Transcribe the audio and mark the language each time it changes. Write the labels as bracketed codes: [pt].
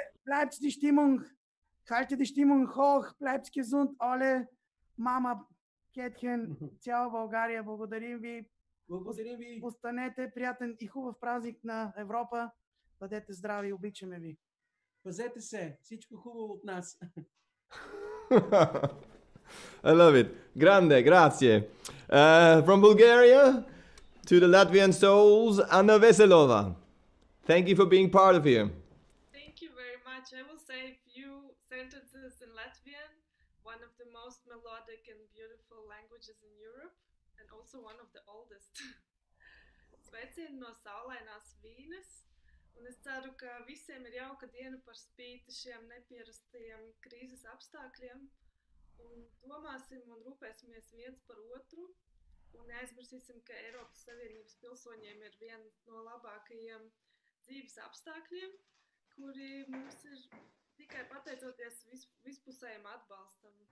[de] bleibt die Stimmung, halte die Stimmung hoch, bleibt gesund, alle Mama, Kätchen, ciao, Bulgaria, [bg] благодарим ви. Благодарим ви. Останете приятен и хубав празник на Европа. Бъдете здрави, обичаме ви. Пазете се, всичко хубаво от нас. [en] I love it. [it] Grande, grazie. [en] From Bulgaria to the Latvian souls, Anna Veselova. Thank you for being part of here. Thank you very much. I will say a few sentences in Latvian, one of the most melodic and beautiful languages in Europe, and also one of the oldest. [lv] Sveicinu no saulainās Vīnes, un es ceru, ka visiem ir jauka diena par spīti šiem nepierastajiem krīzes apstākļiem. Un domāsim un rūpēsimies viens par otru un neaizmirsīsim, ka Eiropas Savienības pilsoņiem ir viena no labākajiem dzīves apstākļiem, kuri mums ir tikai pateicoties vispusējiem atbalstam.